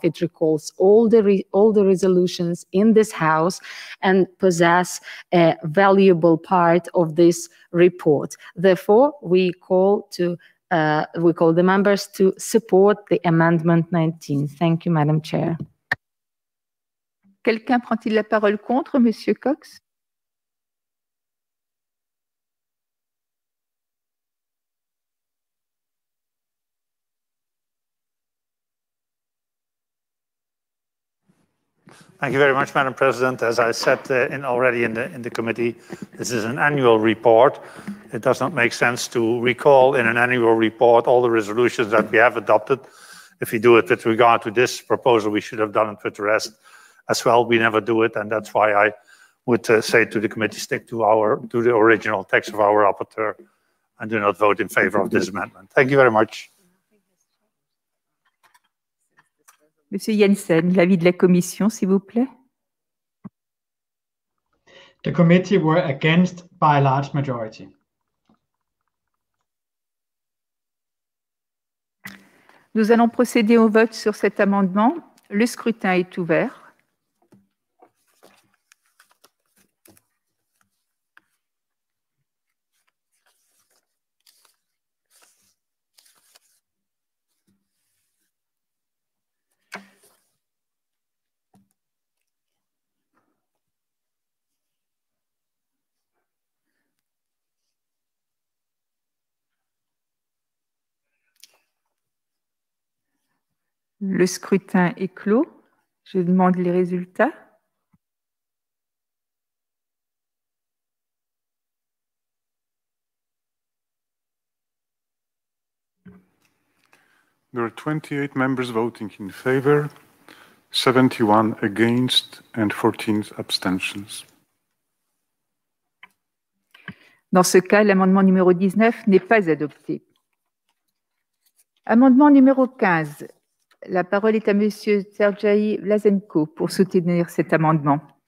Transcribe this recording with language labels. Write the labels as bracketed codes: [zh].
[en] It recalls all the resolutions in this House and possess a valuable part of this report. Therefore, we call the members to support the amendment 19. Thank you, Madam Chair. [fr] Quelqu'un prend-il la parole contre, Monsieur Cox? [en] Thank you very much, Madam President. As I said already in the committee, this is an annual report. It does not make sense to recall in an annual report all the resolutions that we have adopted. If you do it with regard to this proposal, we should have done it with the rest as well. We never do it, and that's why I would say to the committee, stick to the original text of our rapporteur and do not vote in favor of this amendment. Thank you very much. [fr] Monsieur Jensen, l'avis de la commission, s'il vous plaît. [en] The committee were against by a large majority. [fr] Nous allons procéder au vote sur cet amendement. Le scrutin est ouvert. Le scrutin est clos. Je demande les résultats. [en] There are 28 members voting in favor, 71 against, and 14 abstentions. [fr] Dans ce cas, l'amendement numéro 19 n'est pas adopté. Amendement numéro 15. La parole est à Monsieur Sergei Lazenko pour soutenir cet amendement.